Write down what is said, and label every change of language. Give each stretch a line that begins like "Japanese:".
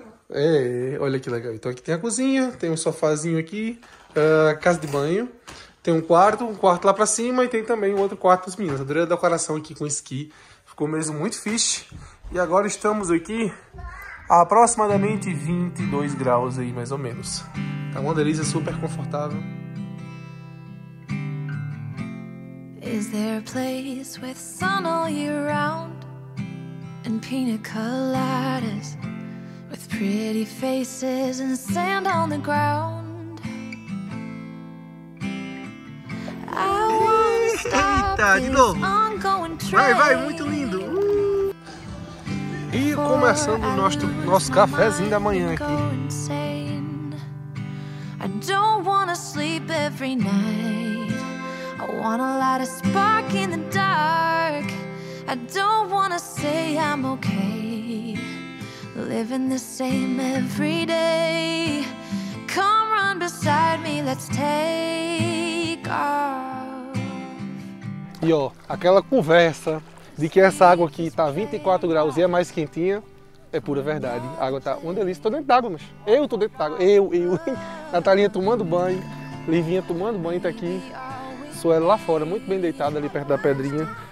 Portuguese: É, olha que legal. Então aqui tem a cozinha, tem um sofazinho aqui, casa de banho, tem um quarto lá pra cima e tem também um outro quarto pros meninos. Adorei a decoração aqui com esqui. Ficou mesmo muito fixe. E agora estamos aqui a aproximadamente 22 graus aí, mais ou menos. Tá uma delícia, super confortável.
English: Is there a place with sun all year round and pina coladas with pretty faces and sand on the ground? I wanna stop
Portuguese: Eita, de
English: this
Portuguese: novo.
English: ongoing
Portuguese: Vai,
English: train
Portuguese: muito lindo. E começando o nosso cafezinho da manhã aqui.
English: I don't wanna sleep every night. I wanna light a spark in the dark. I don't wanna say I'm okay. Living the same every day. Come run beside me, let's take off.
Portuguese: E ó, aquela conversa de que essa água aqui tá 24 graus e é mais quentinha é pura verdade. A água tá uma delícia. Tô dentro d'água, mas eu tô dentro d'água. Eu. Natalinha tomando banho. Livinha tomando banho, tá aqui. Suelo lá fora, muito bem deitado ali perto da pedrinha.